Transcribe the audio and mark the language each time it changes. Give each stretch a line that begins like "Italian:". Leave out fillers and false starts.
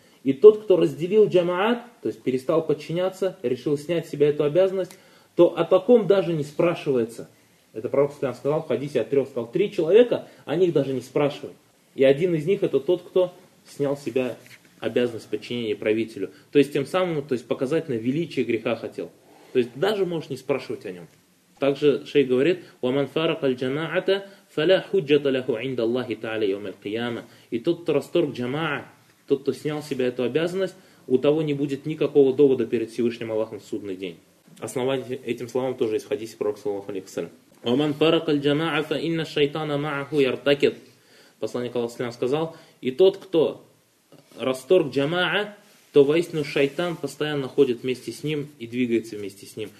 Russian: И тот, кто разделил джамаат, то есть перестал подчиняться, решил снять с себя эту обязанность, то о таком даже не спрашивается. Это пророк Сулейман сказал в хадисе от трех, сказал, три человека, о них даже не спрашивают. И один из них это тот, кто снял с себя обязанность подчинения правителю. То есть тем самым, то есть показать на величие греха хотел. То есть даже можешь не спрашивать о нем. Также шейх говорит:
Arabic: وَمَنْ فَارَقَ الْجَمَاعَةَ فَلَا حُجَّةَ لَهُ عِنْدَ اللَّهِ تَعَالَى يَوْمَ الْقِيَامَةِ.
Russian: И тот, кто расторг джамаа, тот, кто снял с себя эту обязанность, у того не будет никакого довода перед Всевышним Аллахом в судный день. Основание этим словам тоже есть в хадисе пророка саллаллаху алейхи ва саллям.
Arabic: وَمَنْ فَارَقَ الْجَمَاعَةَ فَإِنَّ الشَّيْطَانَ مَعَهُ يَرْتَكِبْ.
Russian: Посланник Аллах Слава сказал: и тот, кто расторг джамаа, то воистину шайтан постоянно ходит вместе с ним и двигается вместе с ним.